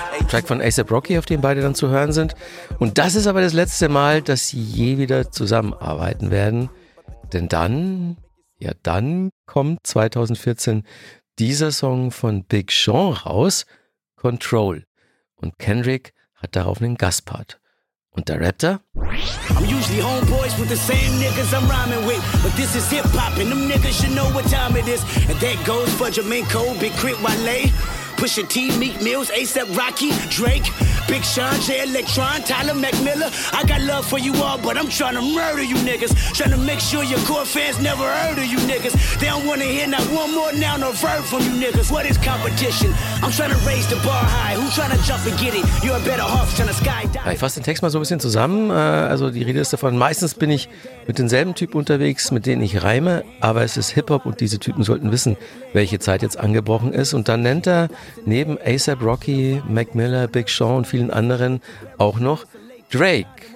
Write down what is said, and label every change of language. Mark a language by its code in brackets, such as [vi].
[de] Track von A$AP Rocky, auf dem beide dann zu hören sind. Und das ist aber das letzte Mal, dass sie je wieder zusammenarbeiten werden. Denn dann, ja dann kommt 2014 dieser Song von Big Sean raus, Control. Und Kendrick hat darauf einen Gastpart. Und der rappt er? [en] I'm usually homeboys with the same niggas I'm rhyming with. But this is hip hop and them niggas should know what time it is. And that goes for Jermaine Cole, Big Crit, Wale, Pusha T, Meek Mills, A$AP Rocky, Drake, Big Sean, J Electron, Tyler McMillan. I got love for you all, but I'm trying to murder you niggas. Trying to make sure your core fans never heard of you niggas. They don't want to hear not one more noun or verb from you niggas. What is competition? I'm trying to raise the bar high. Who's trying to jump and get it? You're a better off trying to skydive. [de] Ich fasse den Text mal so ein bisschen zusammen. Also die Rede ist davon, meistens bin ich mit denselben Typen unterwegs, mit denen ich reime. Aber es ist Hip-Hop und diese Typen sollten wissen, welche Zeit jetzt angebrochen ist. Und dann nennt er neben A$AP Rocky, Mac Miller, Big Sean und vielen anderen auch noch Drake.